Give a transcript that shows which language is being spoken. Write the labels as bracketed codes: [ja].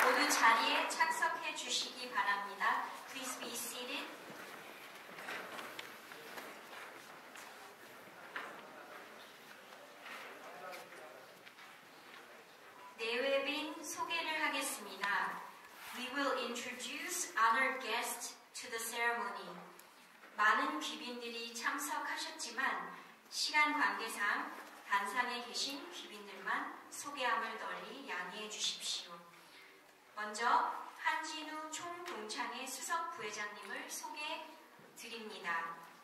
[ko] 자리에 착석해 주시기 바랍니다. [en] Please be seated. [ko] 내외빈 소개를 하겠습니다. [en] We will introduce honored guests to the ceremony. [ko] 많은 귀빈들이 참석하셨지만 시간 관계상 단상에 계신 귀빈들만 소개함을 널리 양해해 주십시오. 먼저 한진우 총동창회 수석 부회장님을 소개해 드립니다.